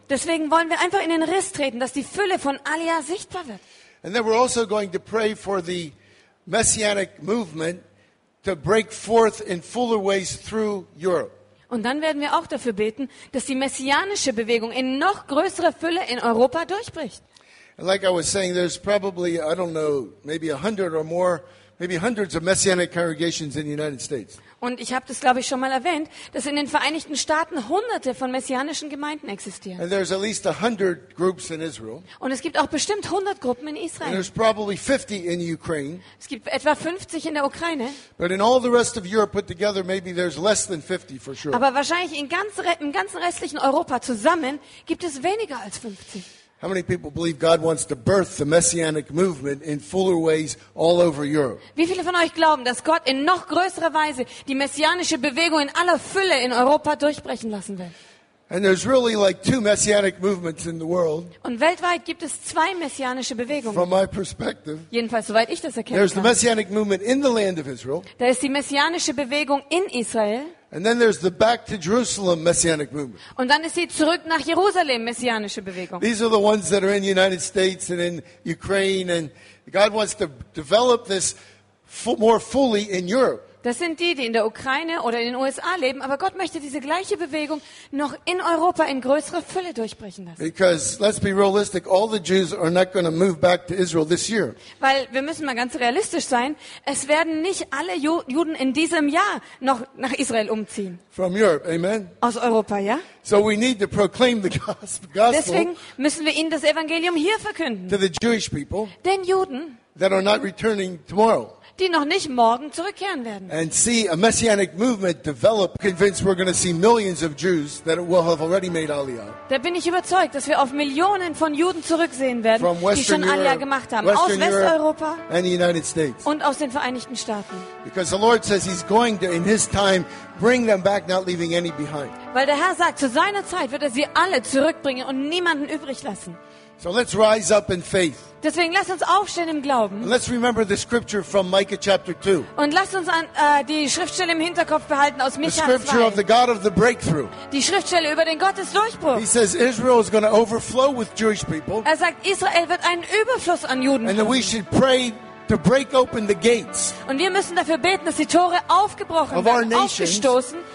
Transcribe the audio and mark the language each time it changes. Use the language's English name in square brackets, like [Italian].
[German] Deswegen wollen wir einfach in den Riss treten, dass die Fülle von Aliyah sichtbar wird. [English] And then we're also going to pray for the messianic movement to break forth in fuller ways through Europe. [German] Und dann werden wir auch dafür beten, dass die messianische Bewegung in noch größerer Fülle in Europa durchbricht. [English] And like I was saying, there's probably, I don't know, maybe 100 or more, maybe hundreds of messianic congregations in the United States. [German] Und ich habe das, glaube ich, schon mal erwähnt, dass in den Vereinigten Staaten hunderte von messianischen Gemeinden existieren. [English] And there's at least 100 groups in Israel. [German] Und es gibt auch bestimmt 100 Gruppen in Israel. [English] And there's probably 50 in Ukraine. [German] Es gibt etwa 50 in der Ukraine. [English] But in all the rest of Europe put together, maybe there's less than 50 for sure. [German] Aber wahrscheinlich im ganzen restlichen Europa zusammen gibt es weniger als 50. [English] How many people believe God wants to birth the messianic movement in fuller ways all over Europe? [German] Wie viele von euch glauben, dass Gott in noch größerer Weise die messianische Bewegung in aller Fülle in Europa durchbrechen lassen will? [English] And there's really like two messianic movements in the world. [German] Und weltweit gibt es zwei messianische Bewegungen. [English] From my perspective. [German] Jedenfalls soweit ich das erkennen kann. [English] There's the messianic movement in the land of Israel. [German] Da ist die messianische Bewegung in Israel. [English] And then there's the back to Jerusalem messianic movement. [German] Und dann ist die zurück nach Jerusalem messianische Bewegung. [English] These are the ones that are in the United States and in Ukraine, and God wants to develop this more fully in Europe. [German] Das sind die, die in der Ukraine oder in den USA leben, aber Gott möchte diese gleiche Bewegung noch in Europa in größerer Fülle durchbrechen lassen. [English] Because let's be realistic, all the Jews are not going to move back to Israel this year. [German] Weil wir müssen mal ganz realistisch sein, es werden nicht alle Juden in diesem Jahr noch nach Israel umziehen. [English] From Europe, amen. [German] Aus Europa, ja? [English] So we need to proclaim the gospel. [German] Deswegen müssen wir ihnen das Evangelium hier verkünden. [English] To the Jewish people. [German] Den Juden. [English] That are not returning tomorrow. [German] Die noch nicht morgen zurückkehren werden. [English] And see a messianic movement develop, convinced we're going to see millions of Jews that will have already made Aliyah. [German] Da bin ich überzeugt, dass wir auf Millionen von Juden zurücksehen werden, die schon Aliyah gemacht haben, [English] Western [German] aus Westeuropa [English] and the United States. [German] Und aus den Vereinigten Staaten. [English] Because the Lord says he's going to in his time bring them back, not leaving any behind. [German] Weil der Herr sagt, zu seiner Zeit wird er sie alle zurückbringen und niemanden übrig lassen. [English] So let's rise up in faith. [German] Deswegen lasst uns aufstehen im Glauben. [English] And let's remember the scripture from Micah chapter 2. [German] Und lasst uns die Schriftstelle im Hinterkopf behalten aus Micha 2. [English] The scripture of the God of the breakthrough. [German] Die Schriftstelle über den Gott des Durchbruchs. [English] He says Israel is going to overflow with Jewish people. [German] Er sagt, Israel wird einen Überfluss an Juden haben. [English] And we should pray to break open the gates. [German] Und wir müssen dafür beten, dass die Tore aufgebrochen werden, aufgestoßen.